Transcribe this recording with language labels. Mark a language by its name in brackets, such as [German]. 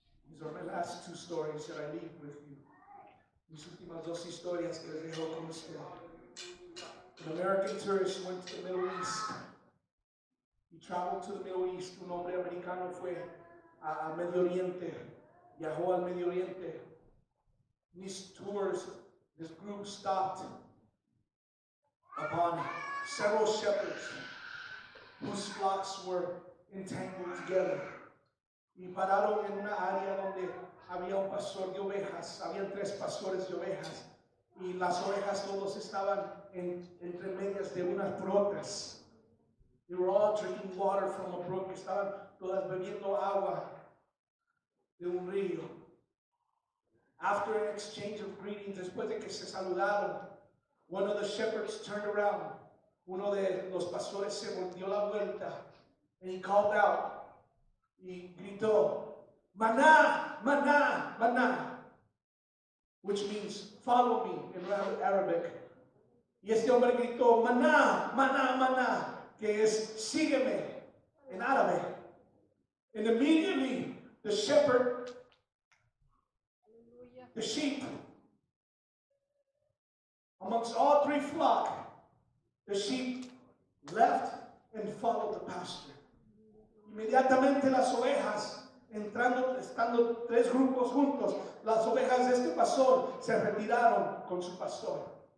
[English] These are my last two stories that I leave with you. [Spanish] Mis últimas dos historias que les dejo con usted. [English] An American tourist went to the Middle East. He traveled to the Middle East. [Spanish] Un hombre americano fue a Medio Oriente, viajó al Medio Oriente. [English] These tours, this group stopped upon several shepherds whose flocks were entangled together. [Spanish] Y pararon en una área donde había un pastor de ovejas, habían tres pastores de ovejas, y las ovejas todos estaban entre medias de unas brocas. [English] They were all drinking water from a brook, [Spanish] estaban todas bebiendo agua de un río. [English] After an exchange of greetings, [Spanish] después de que se saludaron, [English] one of the shepherds turned around. [Spanish] Uno de los pastores se volvió la vuelta. [English] And he called out. [Spanish] Y gritó, maná, maná, maná. [English] Which means, follow me in Arabic. [Spanish] Y este hombre gritó, maná, maná, maná. Que es, sígueme en árabe. [English] And immediately, the shepherd, the sheep, amongst all three flock, the sheep left and follow the pastor. [Spanish] Inmediatamente las ovejas, entrando, estando tres grupos juntos, las ovejas de este pastor se retiraron con su pastor.